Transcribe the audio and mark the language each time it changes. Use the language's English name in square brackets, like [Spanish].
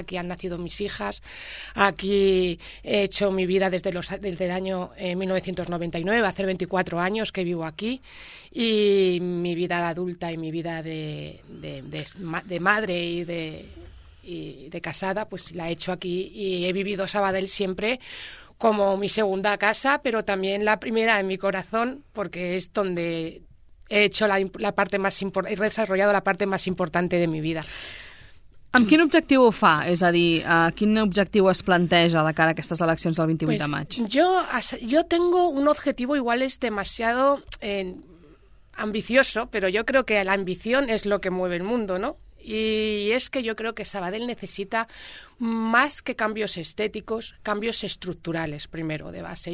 [Spanish] Aquí han nacido mis hijas, aquí he hecho mi vida desde el año 1999, hace 24 años que vivo aquí, y mi vida de adulta y mi vida de madre y de casada, pues la he hecho aquí, y he vivido Sabadell siempre como mi segunda casa, pero también la primera en mi corazón, porque es donde he hecho la parte más importante, he desarrollado la parte más importante de mi vida. [Catalan] Amb quin objectiu ho fa? És a dir, quin objectiu es planteja de cara a aquestes eleccions del 28 de maig? [Spanish] Yo tengo un objetivo, igual es demasiado ambicioso, pero yo creo que la ambición es lo que mueve el mundo, ¿no? Y es que yo creo que Sabadell necesita, más que cambios estéticos, cambios estructurales primero, de base.